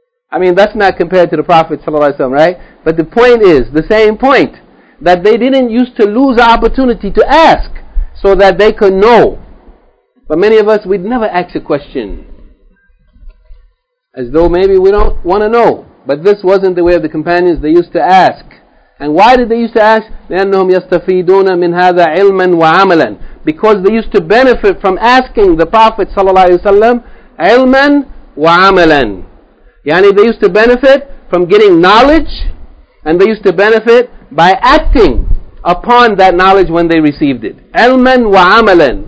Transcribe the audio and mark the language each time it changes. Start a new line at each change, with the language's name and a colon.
English: I mean, that's not compared to the Prophet صلى الله عليه وسلم, right? But the point is, the same point, that they didn't used to lose an opportunity to ask so that they could know. But many of us, we'd never ask a question, as though maybe we don't want to know. But this wasn't the way of the companions. They used to ask. And why did they used to ask?
Arabic: لأنهم يستفيدون من هذا علما وعملا.
English: Because they used to benefit from asking the Prophet صلى الله عليه وسلم
Arabic: علما وعملا.
English: Yani they used to benefit from getting knowledge, and they used to benefit by acting upon that knowledge when they received it.
Arabic: علما وعملا.